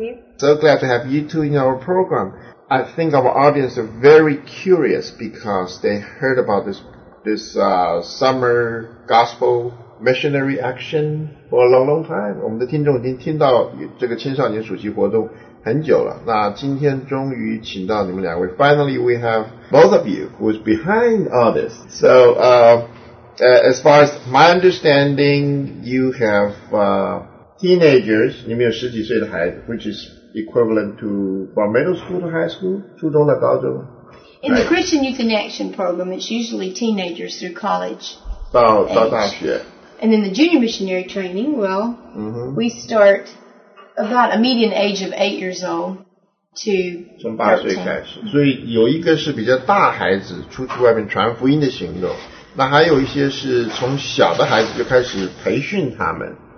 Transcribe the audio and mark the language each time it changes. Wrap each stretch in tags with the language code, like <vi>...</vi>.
<en>you. So glad to have you two in our program. I think our audience are very curious because they heard about this summer gospel missionary action for a long, long time.</en> <zh>我们的听众已经听到这个青少年暑期活动很久了。那今天终于请到你们两位。</zh> <en>Finally, we have both of you who is behind all this. So, as far as my understanding, you have... Teenagers,</en> <zh>你们有十几岁的孩子</zh> <en>,which is equivalent to, from middle school to high school,</en> <zh>初中到高中。</zh> <en>In the Christian Youth in Action program, it's usually teenagers through college.</en> <zh>到大学。</zh> <en>And in the junior missionary training, well,、mm-hmm. we start about a median age of 8 years old to</en> <zh>从八岁开始。所以有一个是比较大孩子出去外面传福音的行动。那还有一些是从小的孩子就开始培训他们。</zh>